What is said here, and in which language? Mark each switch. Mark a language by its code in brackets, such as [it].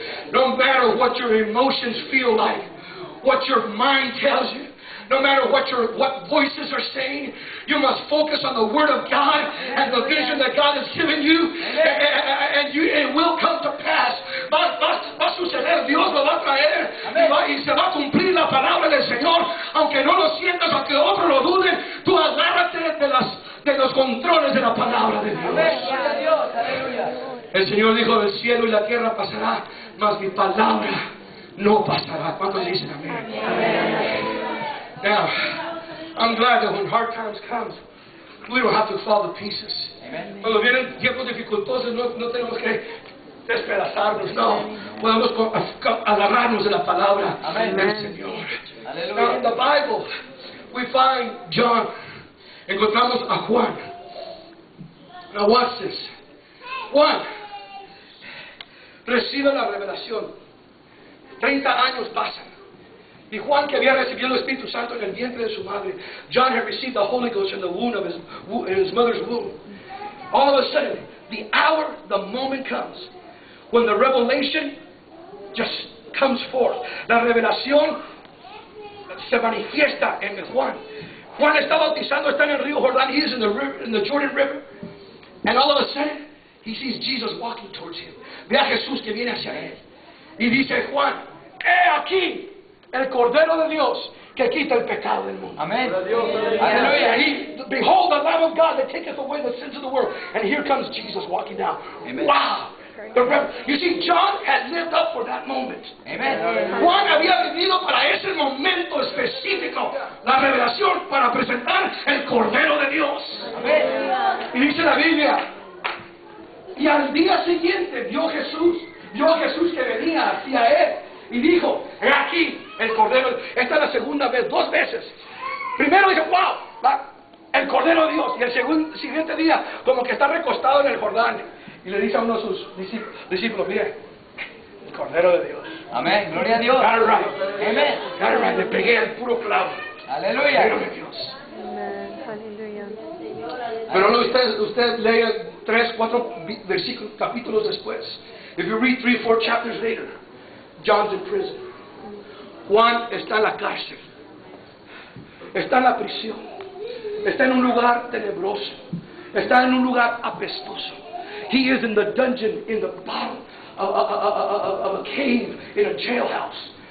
[en] No matter what your emotions feel like, what your mind tells you, no matter what what voices are saying, you must focus on the Word of God and the vision that God has given you, and you, it will come to pass. [es] Va a suceder, Dios lo va a traer, y se va a cumplir la palabra del Señor, aunque no lo sientas, aunque otros lo duden, tú agárrate de los controles de la palabra de Dios. El Señor dijo, el cielo y la tierra pasará, mas mi palabra no pasará. ¿Cuántos dicen amén? [en] Now, I'm glad that when hard times come, we don't have to fall to pieces. Amen. [es] Cuando vienen tiempos dificultosos, no tenemos que despedazarnos. No, podemos agarrarnos de la palabra del Señor. [en] Now, in the Bible, we find John. [es] Encontramos a Juan. [en] Now, watch this. [es] Juan recibe la revelación. 30 años pasan. Y Juan, que había recibido el Espíritu Santo en el vientre de su madre. [en] John had received the Holy Ghost in the womb of his mother's womb. All of a sudden, the hour, the moment comes when the revelation just comes forth. [es] La revelación se manifiesta en Juan. Juan está bautizando, está en el río Jordán. [en] He is in the river, in the Jordan River. And all of a sudden, he sees Jesus walking towards him. [es] Ve a Jesús que viene hacia él. Y dice Juan, ¡he aquí! El Cordero de Dios que quita el pecado del mundo. [en] Amen. Hallelujah. He, behold the Lamb of God that taketh away the sins of the world. And here comes Jesus walking down. Amen. Wow. You see, John had lived up for that moment. Amen. [es] Juan había vivido para ese momento específico. La revelación para presentar el Cordero de Dios. Amen. Y dice la Biblia. Y al día siguiente vio a Jesús que venía hacia él. Y dijo, he aquí el Cordero. Esta es la segunda vez, dos veces. Primero dijo, wow, va, el Cordero de Dios. Y el siguiente día, como que está recostado en el Jordán. Y le dice a uno de sus discípulos, mire, el Cordero de Dios. Amén, gloria a Dios. [en] Got it right. [es] Amén. [en] Got it right, [es] le pegué el puro clavo. Aleluya. Gloria a Dios. Aleluya. Pero no, usted lee tres, cuatro versículos, capítulos después. [en] If you read three, four chapters later, John's in prison. [es] Juan está en la cárcel. Está en la prisión. Está en un lugar tenebroso. Está en un lugar apestoso. [en] He is in the dungeon, in the bottom of a cave, in a jailhouse.